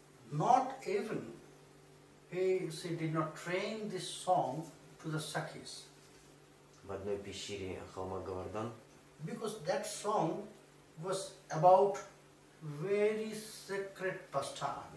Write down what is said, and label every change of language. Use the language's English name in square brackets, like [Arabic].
[English] Not even she did not train this song to the Sakis. [Russian] В одной пещере холма Говардан. [English] Because that song was about very secret pastimes.